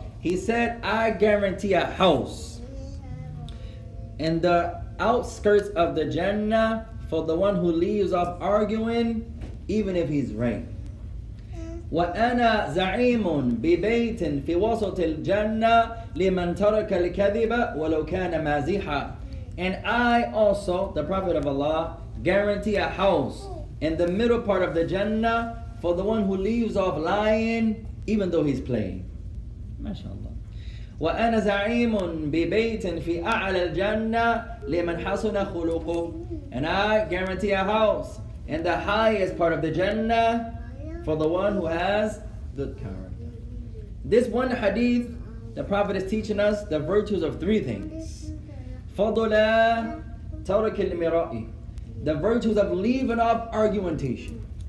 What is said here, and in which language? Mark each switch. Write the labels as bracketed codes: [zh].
[en] He said, I guarantee a house in the outskirts of the Jannah for the one who leaves off arguing, even if he's right. [ar] وأنا زعيم ببيت في وسط الجنة لمن ترك الكذبة ولو كان مازحا. [en] And I also, the Prophet of Allah, guarantee a house in the middle part of the Jannah for the one who leaves off lying, even though he's playing. MashaAllah. [ar] وأنا زعيم ببيت في أعلى الجنة لمن حسن خلقه. [en] And I guarantee a house in the highest part of the Jannah for the one who has good character. This one hadith, the Prophet is teaching us the virtues of three things. [ar] فضل ترك المراء, [en] the virtues of leaving off argumentation.